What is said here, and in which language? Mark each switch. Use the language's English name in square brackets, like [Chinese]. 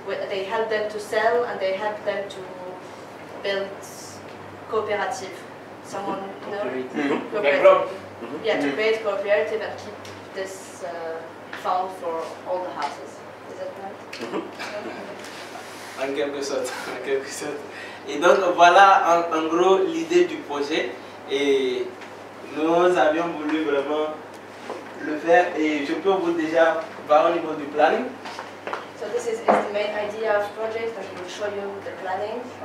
[English] They help them to sell and they help them to build cooperative. Someone know? Cooperative. Yeah, to create cooperative and keep this fund for all the houses. Is that right? [French] En quelque sorte, en quelque sorte. Et donc voilà en gros l'idée du projet et nous avions voulu vraiment le faire et je peux vous déjà voir au niveau du planning. [English] So this is the main idea of project that we'll show you the planning.